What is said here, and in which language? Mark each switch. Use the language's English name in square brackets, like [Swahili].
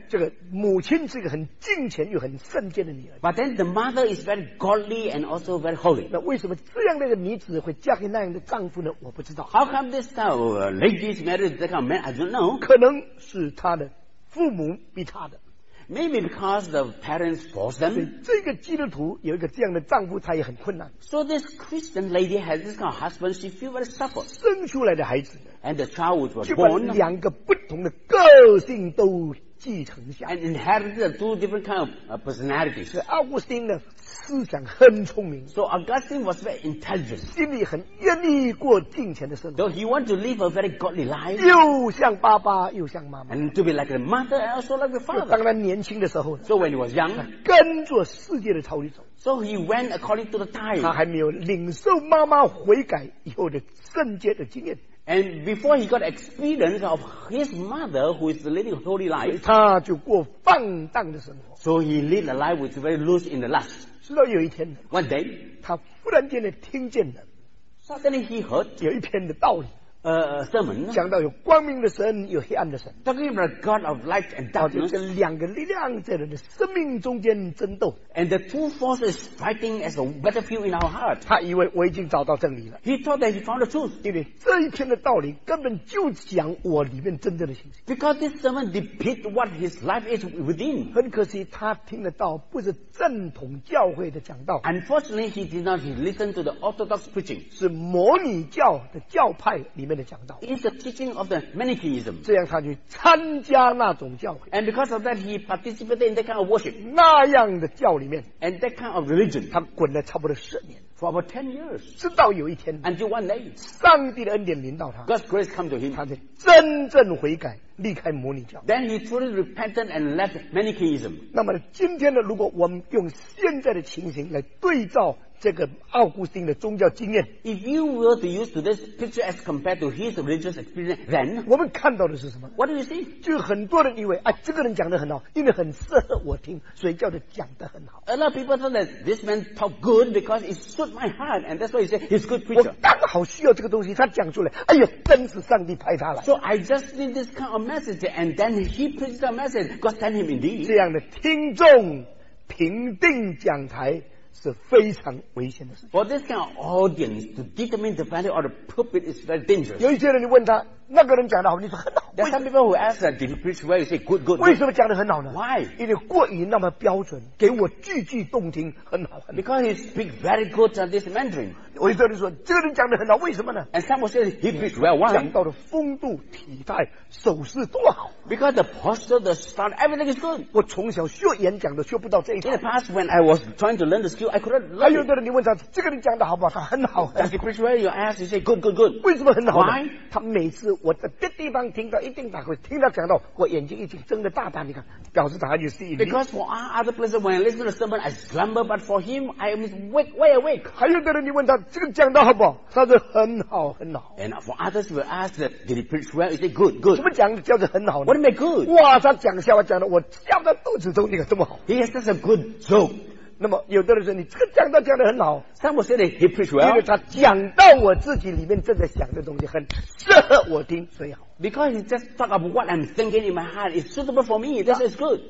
[Chinese] 这个母亲是一个很敬虔又很圣洁的女儿。 [English] But then the mother is very godly and also very holy. [Chinese] 那为什么这样的一个女子会嫁给那样的丈夫呢？我不知道。 [English] How come this lady is married to that kind of man? I don't know. [Chinese] 可能是他的。父母逼他的 [English] maybe because the parents forced them. [Chinese] 这个基督徒有一个这样的丈夫，他也很困难。 [English] So this Christian lady has this kind of husband. She feels very suffer. [Chinese] 生出来的孩子 [English] and the child which was born, [Chinese] 就把两个不同的个性都继承下 [English] and inherited two different kind of personalities. [Chinese] 是奥古斯丁的思想很聪明。 [English] So Augustine was very intelligent. [Chinese] 心里很愿意过敬虔的生活。 [English] So he wanted to live a very godly life. [Chinese] 又像爸爸又像妈妈。 [English] And to be like the mother and also like the father. [Chinese] 当他年轻的时候。 [English] So when he was young. [Chinese] 跟着世界的潮流走。 [English] So he went according to the tide. [Chinese] 他还没有领受妈妈悔改以后的圣洁的经验。 [English] And before he got experience of his mother who is living a holy life. [Chinese] 他就过放荡的生活。 [English] So he lived a life which is very loose in the lust. [Chinese] 直到有一天 [English] One day, [Chinese] 他忽然间的听见了 [English] Suddenly he heard [Chinese] 有一篇的道理 [English] sermon [Chinese] 讲到有光明的神有黑暗的神 [English] Talking about God of light and darkness [Chinese] 就是两个力量在人的生命中间争斗 [English] And the two forces fighting as a battlefield in our heart [Chinese] 他以为我已经找到真理了 [English] He thought that he found the truth [Chinese] 因为这一篇的道理根本就讲我里面真正的信息 [English] Because this sermon depicts what his life is within [Chinese] 很可惜他听得到不是正统教会的讲道 [English] Unfortunately he did not listen to the orthodox preaching [Chinese] 是模拟教的教派里面的讲道 [English] It's the teaching of the Manichaeism [Chinese] 这样他就参加那种教会 [English] And because of that he participated in that kind of worship [Chinese] 那样的教里面 [English] And that kind of religion [Chinese] 他滚了差不多十年 [English] For about 10 years [Chinese] 直到有一天 [English] Until one day [Chinese] 上帝的恩典临到他 [English] God's grace come to him [Chinese] 他就真正悔改离开模拟教 [English] Then he truly repented and left Manichaeism [Chinese] 那么今天呢如果我们用现在的情形来对照这个奥古斯丁的宗教经验 [English] If you were to use this picture as compared to his religious experience then [Chinese] 我们看到的是什么 [English] What do you see? [Chinese] 就很多人以为、啊、这个人讲得很好因为很适合我听所以叫他讲得很好 [English] A lot of people thought that this man talk good because it suit my heart and that's why he said he's good preacher [Chinese] 我刚好需要这个东西他讲出来哎呦真是上帝派他来 [English] So I just need this kind of message and then he preached a message God sent him indeed [Chinese] 这样的听众评定讲台是非常危险的事情。 [English] For this kind of audience to determine the value or the pulpit is very dangerous. [Chinese] 有一些人你问他，那个人讲得好，你说很好。 [English] There are some people who ask that the preach well, you say good, good. [Chinese] 为什么讲得很好呢？ [English] Why? [Chinese] 因为过于那么标准，给我句句动听，很好。 [English] Because he speaks very good at this Mandarin. [Chinese] 我这里说，这个人讲得很好，为什么呢？ [English] And some say he preach well, why? [Chinese] 讲到的风度、体态、手势多好。 [English] Because the posture, the style, everything is good. [Chinese] 我从小学演讲的，学不到这一点。 [English] In the past, when I was trying to learn the skill, I couldn't learn. [Chinese] 还有的人，你问他，这个人讲得好不好？他很好。 [English] Does he preach well? You ask, you say good, good, good. [Chinese] 为什么很好 [English] ？Why? [Chinese] 他每次我在别地方听到。一定他会听到讲到我眼睛已经睁得大大你看表示他就是 [English] Because for our other places when I listen to someone I slumber but for him I am wake, way awake [Chinese] 还有的人你问他这个讲得好不好他说很好很好 [English] And for others will ask that, did he preach well is it good good [Chinese] 什么讲叫做很好呢 [English] What do you mean good [Chinese] 哇他讲笑话讲的我笑到肚子中你看这么好 [English] He has such a good joke [Chinese] 那么有的人说你这个讲道讲得很好 [English] Some say that he preach well [Chinese] 因为他讲到我自己里面正在想的东西很适合我听所以好 [English] Because he just talk about what I'm thinking in my heart It's suitable for me, this is good